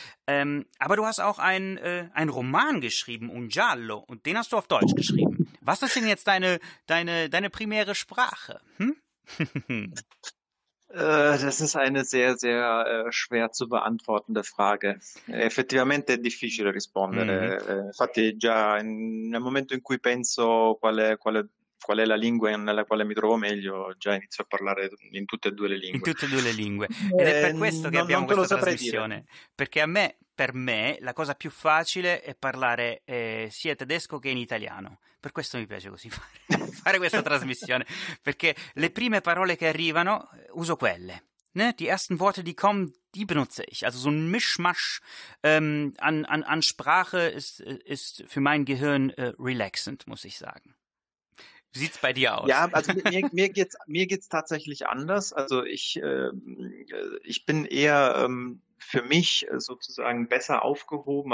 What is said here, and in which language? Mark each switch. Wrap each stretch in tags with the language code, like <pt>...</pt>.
<de>Aber du hast auch einen Roman geschrieben, Un Giallo, und den hast du auf Deutsch geschrieben. Was ist denn jetzt deine primäre Sprache? Das ist eine sehr, sehr schwer zu beantwortende Frage.</de> <it>Effettivamente è difficile rispondere. Infatti già nel momento in cui penso qual è la lingua nella quale mi trovo meglio, già inizio a parlare in tutte e due le lingue. In tutte e due le lingue. Ed è per questo che abbiamo questa trasmissione. Perché per me, la cosa più facile è parlare sia in tedesco che in italiano. Per questo mi piace così fare questa trasmissione, perché le prime parole che arrivano uso quelle, ne?</it> <de>Die ersten Worte, die kommen, die benutze ich. Also so ein Mischmasch an Sprache ist für mein Gehirn relaxant, muss ich sagen. Wie sieht's bei dir aus? Ja, also mir geht's tatsächlich anders. Also ich bin eher für mich sozusagen besser aufgehoben.</de>